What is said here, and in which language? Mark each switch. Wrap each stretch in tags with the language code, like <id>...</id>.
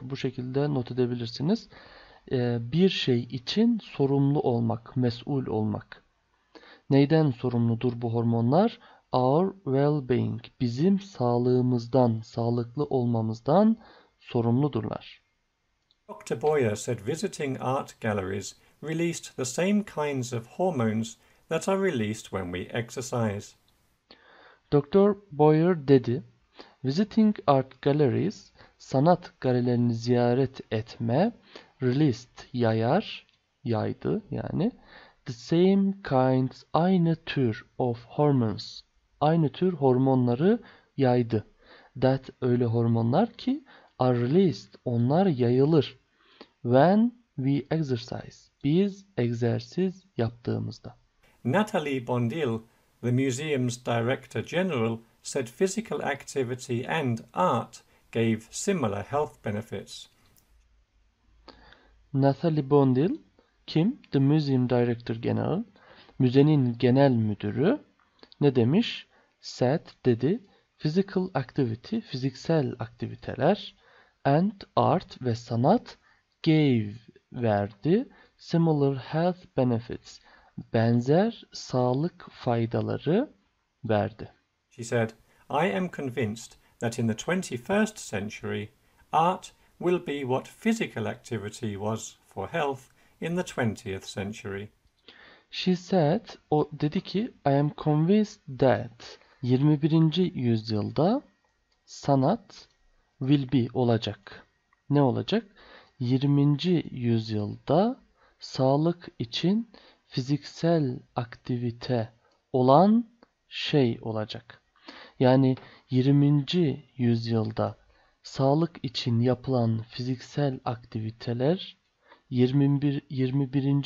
<tr>Bu şekilde not edebilirsiniz. Bir şey için sorumlu olmak, mesul olmak. Neyden sorumludur bu hormonlar?</tr> <en>Our well-being,</en> <tr>bizim sağlığımızdan, sağlıklı olmamızdan sorumludurlar.</tr> <en>Dr. Boyer said visiting art galleries released the same kinds of hormones that are released when we exercise.</en> <tr>Doktor Boyer dedi,</tr> <en>Visiting art galleries,</en> <tr>sanat galerilerini ziyaret etme,</tr> <en>released,</en> <tr>yayar, yaydı yani.</tr> <en>The same kinds,</en> <tr>aynı tür</tr> <en>of hormones,</en> <tr>aynı tür hormonları yaydı.</tr> <en>That</en> <tr>öyle hormonlar ki</tr> <en>are released,</en> <tr>onlar yayılır.</tr> <en>When we exercise,</en> <tr>biz egzersiz yaptığımızda.</tr> <en>Natalie Bondil, the museum's director general, said physical activity and art gave similar health benefits.</en> <tr>Natalie Bondil kim?</tr> <en>The Museum Director General,</en> <tr>müzenin genel müdürü. Ne demiş?</tr> <en>Said</en> <tr>dedi.</tr> <en>Physical activity,</en> <tr>fiziksel aktiviteler,</tr> <en>and art</en> <tr>ve sanat</tr> <en>gave,</en> <tr>verdi. Similar health benefits, benzer sağlık faydaları verdi.</tr> <en>She said, "I am convinced that in the 21st century, art will be what physical activity was for health in the 20th century." She said,</en> <tr>o dedi ki,</tr> <en>I am convinced that 21.</en> <tr>yüzyılda sanat</tr> <en>will be,</en> <tr>olacak. Ne olacak? 20. yüzyılda sağlık için fiziksel aktivite olan şey olacak. Yani 20. yüzyılda sağlık için yapılan fiziksel aktiviteler 21.</tr>